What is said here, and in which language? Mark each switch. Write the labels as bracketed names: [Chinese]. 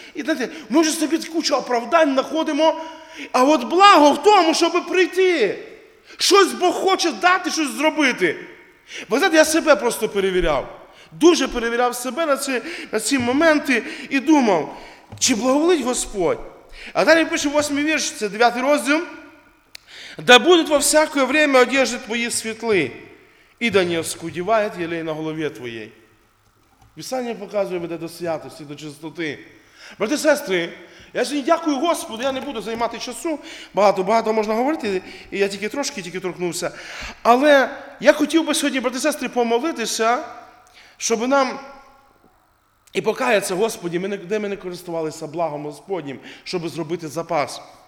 [Ukrainian] І знаєте, ми вже собі кучу оправдань знаходимо. А от благо в тому, щоб прийти. Щось Бог хоче дати, щось зробити. Бо знаєте, я себе просто перевіряв. Дуже перевіряв себе на ці моменти і думав, чи благоволить Господь. А далі пише 8 вірш, це 9 розділ. [Russian] «Да будут во всякое время одежды твои светлы, и да не оскудевает елей на голове твоей». Писание показывает, [Ukrainian] веде до [Russian] святости, до чистоты. [Ukrainian] Брати, сестри, я сьогодні дякую Господу, я не буду займати часу, багато-багато можна говорити, і я тільки трошки торкнувся. Але я хотів би сьогодні, брати, сестри, помолитися, щоб нам і покаятися, Господі, де ми не користувалися благом Господнім, щоб зробити запас.